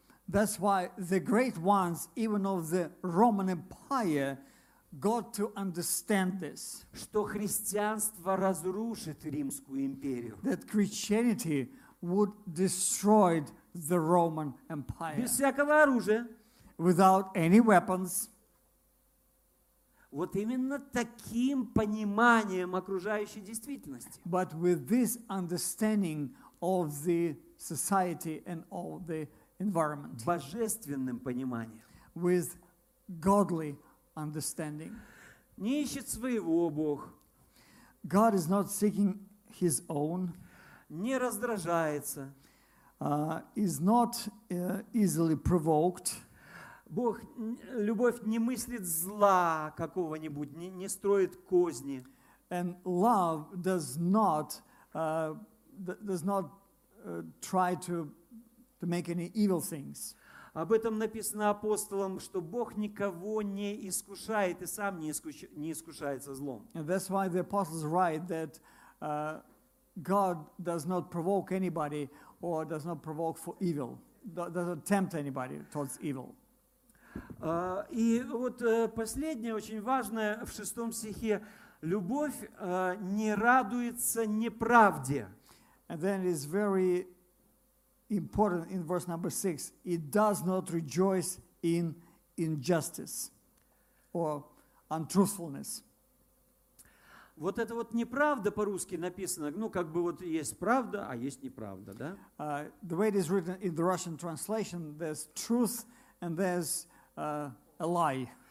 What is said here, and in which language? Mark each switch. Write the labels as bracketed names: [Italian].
[English] That's why the great ones, even of the Roman Empire, got to understand this. [Russian] Что христианство разрушит Римскую империю. [English] That Christianity would destroy the Roman Empire. [Russian] Без всякого оружия. [English] Without any weapons. [Russian] Вот именно таким пониманием окружающей действительности. [English] But with this understanding of the society and of the environment. [Russian] Божественным пониманием. [English] With godly understanding. [Russian] Не ищет своего Бог. [English] God is not seeking his own. [Russian] Не раздражается. [English] Is not easily provoked. [Russian] Бог, любовь не мыслит зла какого-нибудь, не строит козни. [English] And love does not try to make any evil things. [Russian] Об этом написано апостолом, что Бог никого не искушает и сам не искушается злом. [English] And that's why the apostles write that God does not provoke anybody or does not provoke for evil, does not tempt anybody towards evil. [Russian] И вот последнее, очень важное, в шестом стихе. Любовь не радуется неправде. [English] And then it's very important in verse number 6. It does not rejoice in injustice or untruthfulness. [Russian] Вот это вот неправда по-русски написано, ну, как бы вот есть правда, а есть неправда, да? [English] The way it is written in the Russian translation, there's truth and there's a lie.